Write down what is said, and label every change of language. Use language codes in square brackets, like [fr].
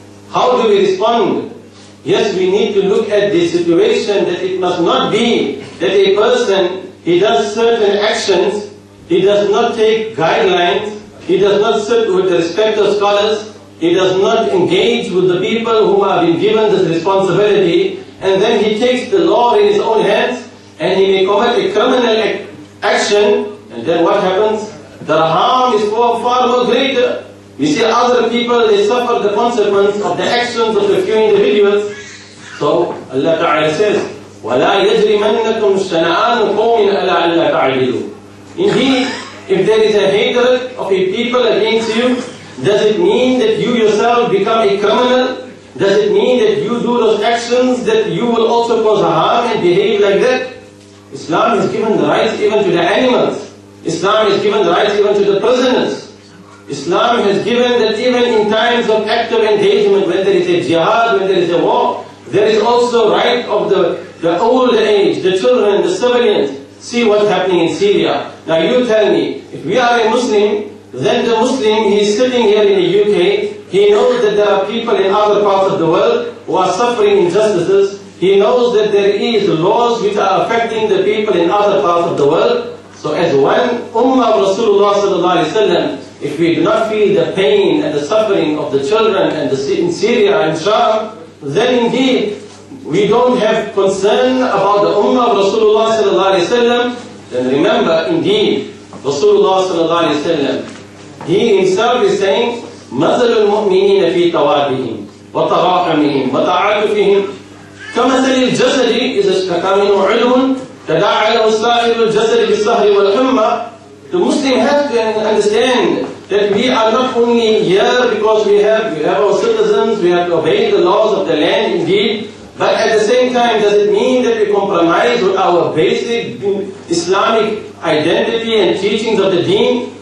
[en] How do we respond? Yes, we need to look at the situation that it must not be that a person, he does certain actions, he does not take guidelines, he does not sit with the respected scholars, he does not engage with the people who have been given this responsibility, and then he takes the law in his own hands, and he may commit a criminal action, and then what happens? The harm is far more greater. We see other people, they suffer the consequence of the actions of a few individuals. So Allah Ta'ala says, [ar] وَلَا يَجْرِمَنَّكُمْ شَنَآنُ قَوْمٍ أَلَىٰ أَلَّا تَعْدِلُوا. [en] Indeed, if there is a hatred of a people against you, does it mean that you yourself become a criminal? Does it mean that you do those actions that you will also cause harm and behave like that? Islam has given the rights even to the animals. Islam has given the rights even to the prisoners. Islam has given that even in times of active engagement, when there is a jihad, when there is a war, there is also right of the old age, the children, the civilians. See what's happening in Syria. Now you tell me, if we are a Muslim, then the Muslim, he is sitting here in the UK, he knows that there are people in other parts of the world who are suffering injustices. He knows that there is laws which are affecting the people in other parts of the world. So as one Ummah of Rasulullah sallallahu alaihi wasallam, if we do not feel the pain and the suffering of the children and in Syria and Sham, then indeed we don't have concern about the Ummah of Rasulullah sallallahu alaihi wasallam. Then remember, indeed, Rasulullah sallallahu alaihi wasallam, he himself is saying, [ar] مثل المؤمنين في توابهم وتراحمهم وتعاطفهم كمثل الجسد إذا اشتكى منه عضو تداعى له سائر الجسد بالسهر والحمى. [en] The Muslim has to understand that we are not only here because we have our citizens, we have to obey the laws of the land indeed, but at the same time, does it mean that we compromise with our basic Islamic identity and teachings of the deen?